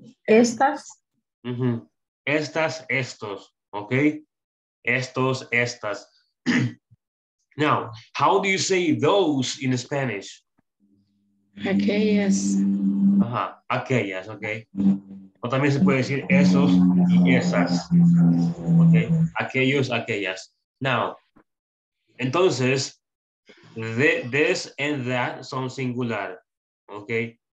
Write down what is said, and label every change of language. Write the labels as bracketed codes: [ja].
[es] Estas. Mm-hmm. estas, estos, okay? Estos, estas. [en] Now, how do you say those in Spanish? [es] Aquellas. Ajá, aquellas, okay. O también se puede decir esos y esas. Okay, aquellos, aquellas. [en] Now, entonces, this and that son singular, okay?